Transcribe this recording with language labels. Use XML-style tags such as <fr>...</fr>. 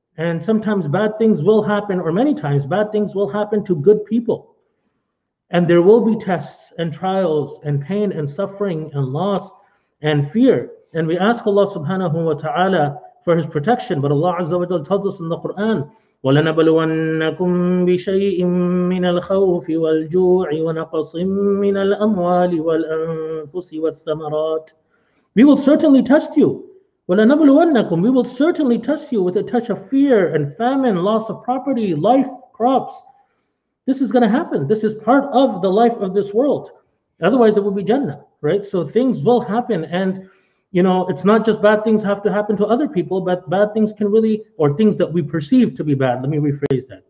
<en>And sometimes bad things will happen, or many times bad things will happen to good people. And there will be tests and trials and pain and suffering and loss and fear. And we ask Allah subhanahu wa ta'ala for his protection. But Allah azza wa jalla tells us in the Quran,</en> <ar>ولنبلونكم بشيء من الخوف والجوع ونقص من الأموال والأنفس والثمرات.</ar> <en>We will certainly test you. ولنبلونكم, we will certainly test you with a touch of fear and famine, loss of property, life, crops. This is going to happen. This is part of the life of this world. Otherwise, it would be Jannah, right? So things will happen. And, you know, it's not just bad things have to happen to other people, but bad things can really, or things that we perceive to be bad. Let me rephrase that.</en>